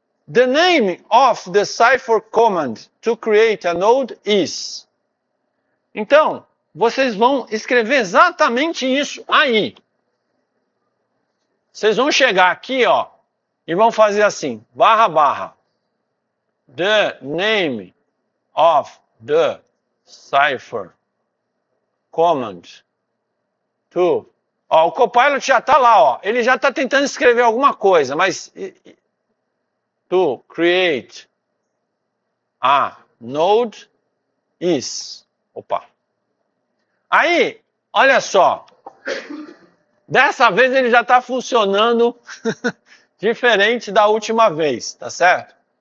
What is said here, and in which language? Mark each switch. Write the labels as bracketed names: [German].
[English] The name of the Cypher command to create a node is. [Portuguese] Então, vocês vão escrever exatamente isso aí. Vocês vão chegar aqui, ó, e vão fazer assim: barra, barra. [English] The name of the Cypher command. [Portuguese] Ó, o Copilot já tá lá, ó. Ele já tá tentando escrever alguma coisa, mas [English] to create a node is. [Portuguese] Opa. Aí, olha só. Dessa vez ele já tá funcionando diferente da última vez, tá certo?